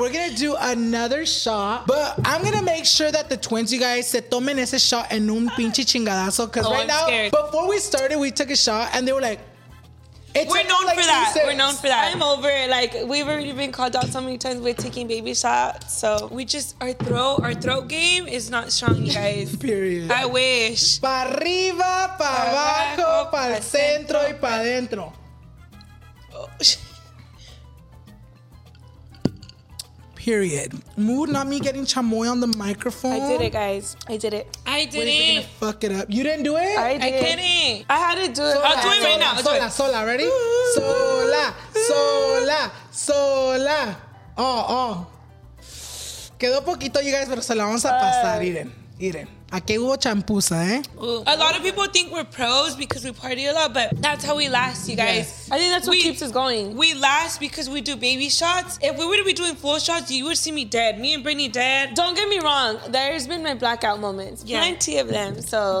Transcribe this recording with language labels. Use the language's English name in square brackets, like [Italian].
[English] We're gonna do another shot, but I'm gonna make sure that the twins, you guys, [Spanish] se tomen ese shot en un pinche chingadazo. [English] Because I'm scared. Before we started, we took a shot and they were like, We're known for that. I'm over it. Like, we've already been called out so many times with taking baby shots. So we just, our throat game is not strong, you guys. Period. I wish. [Spanish] Pa arriba, pa abajo, pa el centro y pa adentro. [English] Period. Mood, not me getting chamoy on the microphone. I did it, guys. I did it. Wait, you're gonna fuck it up. You didn't do it? I did. I couldn't. I had to do it. I'll do it right now. [Spanish] Sola, sola, ready? Sola, sola, sola. Oh. Quedó poquito, [English] you guys, [Spanish] pero se la vamos a pasar. Iren. Aquí hubo champusa, [English] A lot of people think we're pros because we party a lot, but that's how we last, you guys. Yes. I think that's what keeps us going. We last because we do baby shots. If we were to be doing full shots, you would see me dead. Me and Brittany dead. Don't get me wrong. There's been my blackout moments. Yeah. Plenty of them, so.